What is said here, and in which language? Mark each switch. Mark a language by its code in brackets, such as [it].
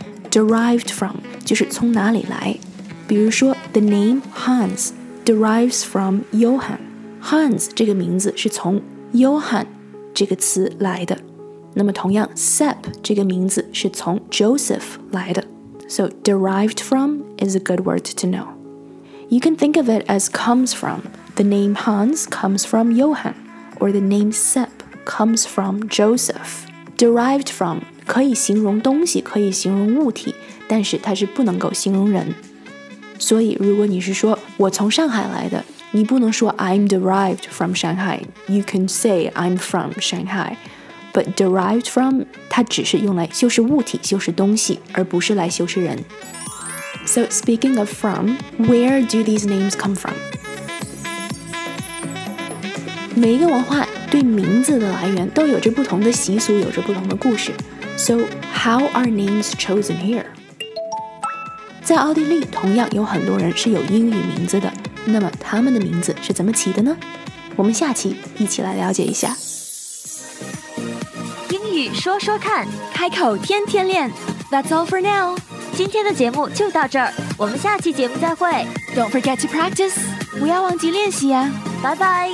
[en] Derived from, [zh] 就是从哪里来。比如说 [en] the name Hans,derives from Johann. [zh] Hans 这个名字是从 Johann 这个词来的。那么同样 Sepp 这个名字是从 Joseph 来的。 [en] So derived from is a good word to know. You can think of it as comes from. The name Hans comes from Johann, or the name Sepp comes from Joseph. Derived from [zh] 可以形容东西，可以形容物体，但是它是不能够形容人。所以如果你是说我从上海来的，你不能说 [en] I'm derived from Shanghai. You can say I'm from Shanghai. But derived from, [zh] 它只是用来修饰物体，修饰东西，而不是来修饰人。 [en] So speaking of from, where do these names come from? [zh] 每一个文化对名字的来源都有着不同的习俗，有着不同的故事。 [en] So how are names chosen here? [zh] 在奥地利同样有很多人是有英语名字的，那么他们的名字是怎么起的呢？我们下期一起来了解一下。英语说说看，开口天天练。 [en] That's all for now， [zh] 今天的节目就到这儿，我们下期节目再会。 [en] Don't forget to practice， [zh] 不要忘记练习啊。拜拜